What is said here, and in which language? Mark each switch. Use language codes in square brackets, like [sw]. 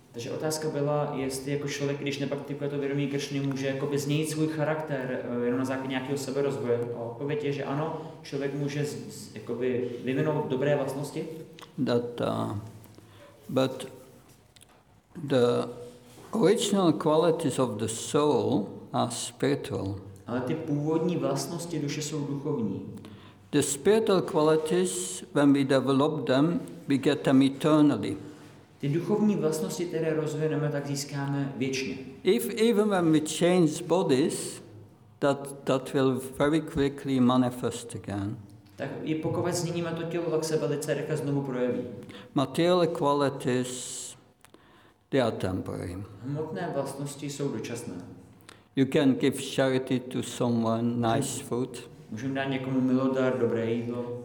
[cs] Takže otázka byla, jestli jako člověk, když nepraktikuje to vědomí Krishny, může jakoby změnit svůj charakter jenom na základě nějakého seberozvoje. A odpověď je, že ano, člověk může jakoby vyvinout dobré vlastnosti. [en] But the original qualities of the soul are spiritual. [cs] Ale ty původní vlastnosti duše jsou duchovní. [en] The spiritual qualities, when we develop them, we get them eternally. [cs] Ty duchovní vlastnosti, které rozvineme, tak získáme věčně. [en] If even when we change bodies, that will very quickly manifest again. [cs] Tak i pokud změníme to tělo, tak se velice rychle znovu projeví. [en] Material qualities, they are temporary. [cs] Hmotné vlastnosti jsou dočasné. [en] You can give charity to someone, nice food. [cs] Můžeme dát někomu milodár, dobré jídlo.